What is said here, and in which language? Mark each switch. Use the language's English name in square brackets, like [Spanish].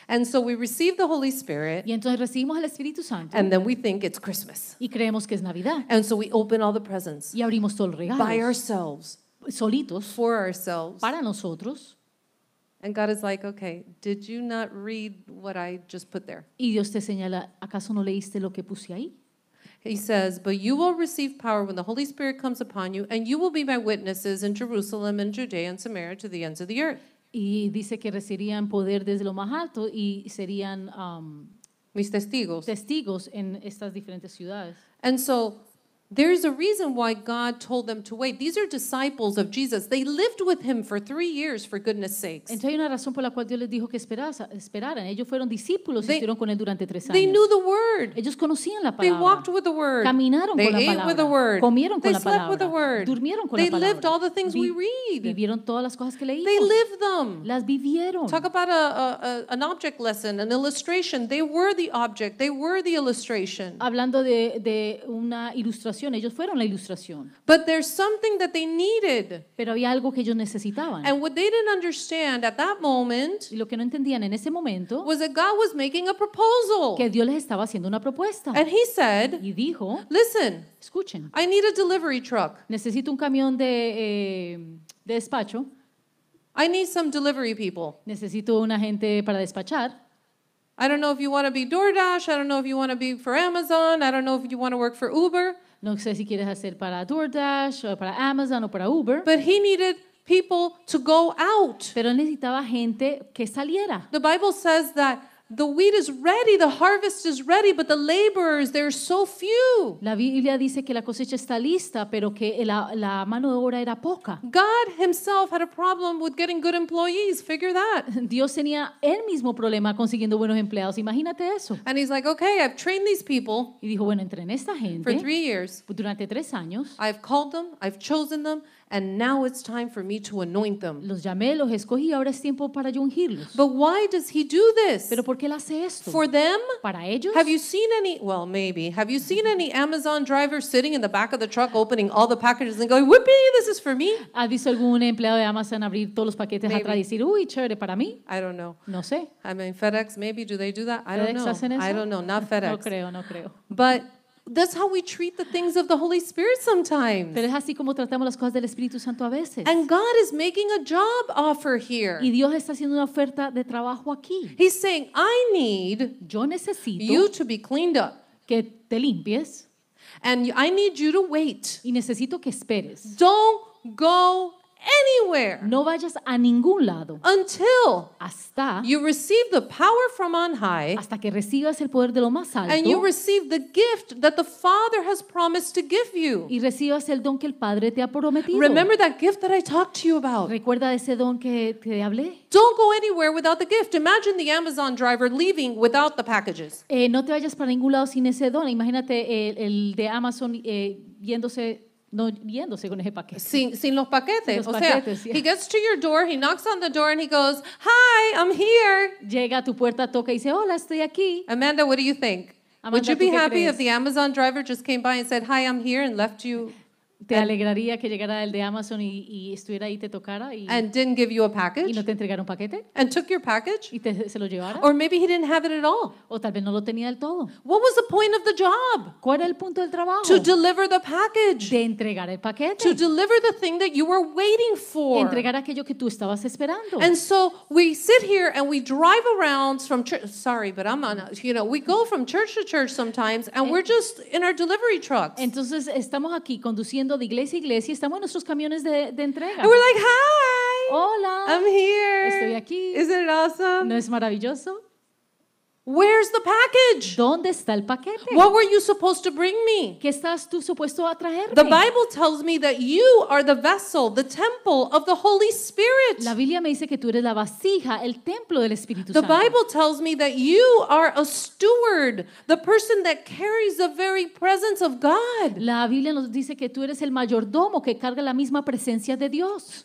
[English] And so we receive the Holy Spirit. [Spanish] Y entonces recibimos el Espíritu Santo. [English] And then we think it's Christmas. [Spanish] Y creemos que es Navidad. [English] And so we open all the presents. [Spanish] Y abrimos todos los regalos. [English] By ourselves. [Spanish] Solitos, [English] for ourselves. [Spanish] Para nosotros. [English] And God is like, okay, did you not read what I just put there? [Spanish] Y Dios te señala, ¿acaso no leíste lo que puse ahí? [English] He says, but you will receive power when the Holy Spirit comes upon you, and you will be my witnesses in Jerusalem and Judea and Samaria to the ends of the earth. [Spanish] Y dice que recibirían poder desde lo más alto y serían mis testigos. Testigos en estas diferentes ciudades. [English] And so there's a reason why God told them to wait. These are disciples of Jesus. They lived with him for 3 years, for goodness sakes. [Spanish] Entonces hay una razón por la cual Dios les dijo que esperaran. Ellos fueron discípulos y estuvieron con él durante 3 años. [English] They knew the word. [Spanish] Ellos conocían la palabra. [English] They walked with the word. [Spanish] Caminaron [English] they [Spanish] con la palabra. [English] They ate with the word. [Spanish] Comieron [English] they [Spanish] con la palabra. [English] They slept with the word. [Spanish] Durmieron con [English] they [Spanish] la palabra. [English] They lived all the things we read. [Spanish] Vivieron todas las cosas que leímos. [English] They lived them. [Spanish] Las vivieron. [English] Talk about an object lesson, an illustration. They were the object. They were the illustration. [Spanish] Hablando de una ilustración. Ellos fueron la ilustración. [English] But there's something that they needed. [Spanish] Pero había algo que ellos necesitaban. [English] And what they didn't understand at that moment, [Spanish] y lo que no entendían en ese momento, [English] was that God was making a proposal. [Spanish] Que Dios les estaba haciendo una propuesta. [English] And he said, [Spanish] y dijo, [English] listen, [Spanish] escuchen, [English] I need a delivery truck. [Spanish] Necesito un camión de despacho. [English] I need some delivery people. [Spanish] Necesito una gente para despachar. [English] I don't know if you want to be DoorDash, I don't know if you want to be for Amazon, I don't know if you want to work for Uber. [Spanish] No sé si quieres hacer para DoorDash o para Amazon o para Uber. [English] But he needed people to go out. [Spanish] Pero necesitaba gente que saliera. [English] The Bible says that the wheat is ready, the harvest is ready, but the laborers, there are so few. [Spanish] La Biblia dice que la cosecha está lista, pero que la mano de obra era poca. [English] God himself had a problem with getting good employees. Figure that. [Spanish] Dios tenía el mismo problema consiguiendo buenos empleados. Imagínate eso. [English] And he's like, okay, I've trained these people. [Spanish] Y dijo, bueno, entrené esta gente. [English] For 3 years. [Spanish] Durante 3 años. [English] I've called them, I've chosen them. And now it's time for me to anoint them. [Spanish] Los llamé, los escogí, ahora es tiempo para yo ungirlos. [English] But why does he do this? [Spanish] ¿Pero por qué él hace esto? [English] For them? [Spanish] ¿Para ellos? [English] Have you seen any, well, maybe. Have you seen any Amazon driver sitting in the back of the truck opening all the packages and going, whoopee, this is for me? [Spanish] ¿Has visto algún empleado de Amazon abrir todos los paquetes [English] maybe. [Spanish] Atrás y decir, uy, chévere, para mí? [English] I don't know. [Spanish] No sé. [English] I mean, FedEx, maybe, do they do that? I FedEx don't know. [Spanish] ¿Hacen eso? [English] I don't know, not FedEx. [Spanish] No creo, no creo. [English] But that's how we treat the things of the Holy Spirit sometimes. [Spanish] Pero es así como tratamos las cosas del Espíritu Santo a veces. [English] And God is making a job offer here. [Spanish] Y Dios está haciendo una oferta de trabajo aquí. [English] He's saying, I need [Spanish] yo necesito [English] you to be cleaned up. [Spanish] Que te limpies. [English] And I need you to wait. [Spanish] Y necesito que esperes. [English] Don't go anywhere. [Spanish] No vayas a ningún lado. [English] Until [Spanish] hasta [English] you receive the power from on high. [Spanish] Hasta que recibas el poder de lo más alto. [English] And you receive the gift that the Father has promised to give you. [Spanish] Y recibas el don que el Padre te ha prometido. [English] Remember that gift that I talked to you about. [Spanish] Recuerda ese don que te hablé. [English] Don't go anywhere without the gift. Imagine the Amazon driver leaving without the packages. [Spanish] No te vayas para ningún lado sin ese don. Imagínate el de Amazon yéndose. No viéndose con ese paquete. Sin los paquetes. Sin los paquetes, o sea, [English] he gets to your door, he knocks on the door and he goes, "Hi, I'm here." [Spanish] Llega a tu puerta, toca y dice, "Hola, estoy aquí." [English] Amanda, what do you think? [Spanish] Amanda, [English] would you be happy [Spanish] crees? [English] If the Amazon driver just came by and said, "Hi, I'm here," and left you? [Spanish] ¿Te alegraría que llegara el de Amazon y estuviera ahí y te tocara y [English] and didn't give you a package? [Spanish] ¿Y no te entregara un paquete? [English] And took your package? [Spanish] ¿Y se lo llevara? [English] Or maybe he didn't have it at all. [Spanish] O tal vez no lo tenía del todo. [English] What was the point of the job? [Spanish] ¿Cuál era el punto del trabajo? [English] To deliver the package. [Spanish] De entregar el paquete. [English] To deliver the thing that you were waiting for. [Spanish] Entregar aquello que tú estabas esperando. [English] And so we sit here and we drive around from we go from church to church sometimes and we're just in our delivery trucks. [Spanish] Entonces estamos aquí conduciendo de iglesia a iglesia estamos en nuestros camiones de entrega. [English] And we're like, hi. [Spanish] Hola. [English] I'm here. [Spanish] Estoy aquí. [English] Isn't it awesome? [Spanish] ¿No es maravilloso? [English] Where's the package? [Spanish] ¿Dónde está el paquete? [English] What were you supposed to bring me? [Spanish] ¿Qué estás tú supuesto a traerme? [English] The Bible tells me that you are the vessel, the temple of the Holy Spirit. [Spanish] La Biblia me dice que tú eres la vasija, el templo del Espíritu Santo. [English] The Bible tells me that you are a steward, the person that carries the very presence of God. [Spanish] La Biblia nos dice que tú eres el mayordomo que carga la misma presencia de Dios.